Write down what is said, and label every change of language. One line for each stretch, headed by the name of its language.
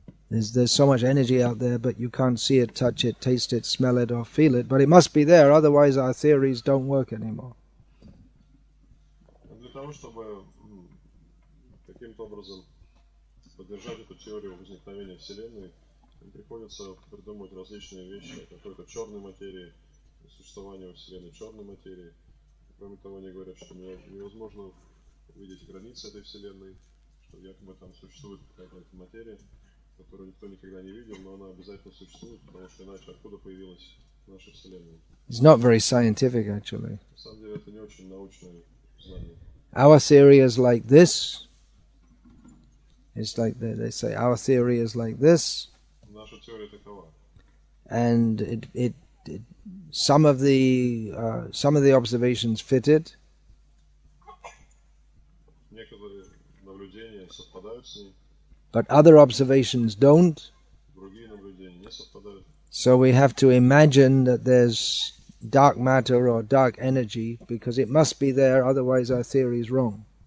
English: There's so much energy out there, but you can't see it, touch it, taste it, smell it, or feel it. But it must be there, otherwise our theories don't work anymore.
Russian: Для того, чтобы каким-то образом поддержать эту теорию возникновения Вселенной, им приходится придумать различные вещи о какой-то черной материи, о существовании Вселенной черной материи. Кроме того, они говорят, что невозможно увидеть границы этой Вселенной, что якобы там существует какая-то материя, которую никто никогда не видел, но она обязательно существует, потому что иначе откуда появилась наша Вселенная?
English: It's not very scientific, actually.
Russian: На самом деле, это не очень научное знание.
English: Our theory is like this. It's like they say, our theory is like this.
Russian: Наша теория такова.
English: And it some of the observations fit it.
Russian: Некоторые наблюдения совпадают с ней.
English: But other observations don't.
Russian: Другие наблюдения не совпадают.
English: So we have to imagine that there's dark matter or dark energy, because it must be there, otherwise our theory is wrong.